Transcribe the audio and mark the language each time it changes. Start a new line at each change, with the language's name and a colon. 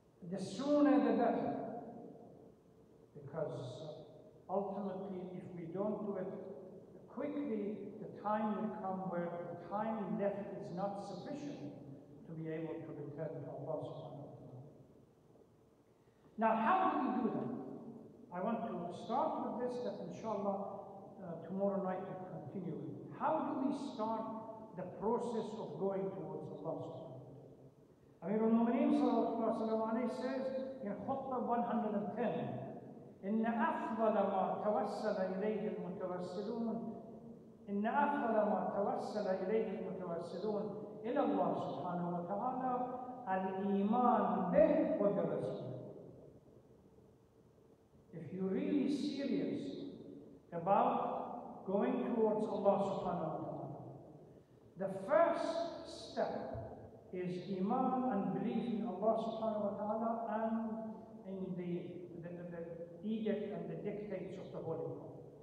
English: The sooner the better, because ultimately, if we don't do it quickly, the time will come where the time left is not sufficient to be able to return to Allah subhanahu wa ta'ala. Now, how do we do that? I want to start with this, that inshallah, tomorrow night we'll continue with. How do we start the process of going towards Allah subhanahu wa ta'ala?
Arabic: Amirul Mu'mineen sallallahu alayhi wa sallam
English: says in Khutbah 110,
Arabic: إِنَّ أَفْضَلَ مَا تَوَسَّلَ إِلَيْهِ الْمُتَوَسِّلُونَ إِنَّ أَفْضَلَ مَا تَوَسَّلَ إِلَيْهِ الْمُتَوَسِّلُونَ إِلَى اللَّهِ سُبْحَانَهُ وَتَعَالَى الْإِيمَانُ بِهِ وَبِرَسُولِهِ.
English: If you're really serious about going towards Allah subhanahu wa ta'ala, the first step is iman and belief in Allah subhanahu wa ta'ala and in the edict and the dictates of the Holy Quran.